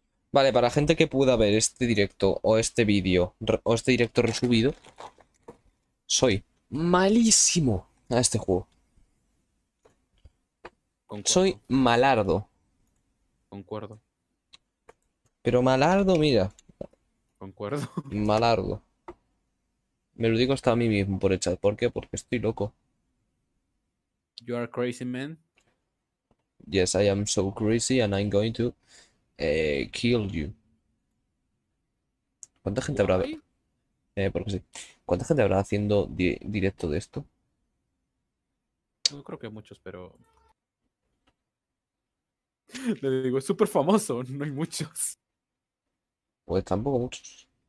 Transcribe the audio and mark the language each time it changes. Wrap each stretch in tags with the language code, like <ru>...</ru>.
<es>Vale, para gente que pueda ver este directo o este vídeo o este directo resubido, soy malísimo a este juego. Concuerdo. Soy malardo. Concuerdo. Pero malardo, mira. Concuerdo. Malardo. Me lo digo hasta a mí mismo por el chat. ¿Por qué? Porque estoy loco.</es> <en>You are crazy, man. Yes, I am so crazy and I'm going to kill you.</en> <es>¿Cuánta gente</es> <en>Why?</en> <es>Habrá? Porque sí. ¿Cuánta gente habrá haciendo directo de esto? No creo que muchos, pero... le digo, es súper famoso, no hay muchos. Pues tampoco muchos.</es>